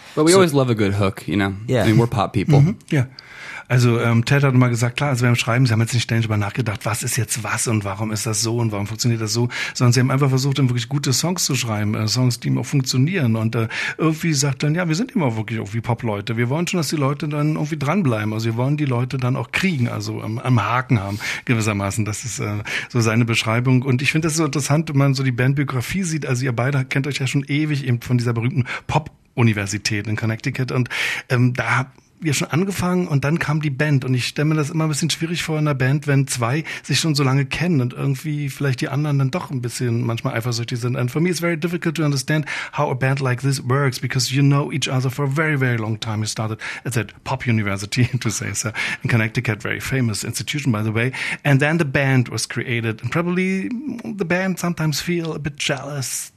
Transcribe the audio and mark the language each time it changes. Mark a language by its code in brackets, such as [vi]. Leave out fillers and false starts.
[en] but we always love a good hook, I mean, we're pop people. [de] Also Ted hat mal gesagt, klar, also beim Schreiben, sie haben jetzt nicht ständig darüber nachgedacht, was ist jetzt was und warum ist das so und warum funktioniert das so, sondern sie haben einfach versucht, dann wirklich gute Songs zu schreiben, Songs, die auch funktionieren, und irgendwie sagt dann, ja, wir sind immer wirklich irgendwie Pop-Leute, wir wollen schon, dass die Leute dann irgendwie dranbleiben, also wir wollen die Leute dann auch kriegen, also am Haken haben, gewissermaßen, das ist so seine Beschreibung, und ich finde das so interessant, wenn man so die Bandbiografie sieht, also ihr beide kennt euch ja schon ewig eben von dieser berühmten Pop-Universität in Connecticut, und da ja schon angefangen und dann kam die Band. Und ich stelle mir das immer ein bisschen schwierig vor in der Band, wenn zwei sich schon so lange kennen und irgendwie vielleicht die anderen dann doch ein bisschen manchmal eifersüchtig sind. [en] And for me it's very difficult to understand how a band like this works, because you know each other for a very, very long time. You started at that pop university, to say so, in Connecticut, very famous institution, by the way. And then the band was created. And probably the band sometimes feel a bit jealous.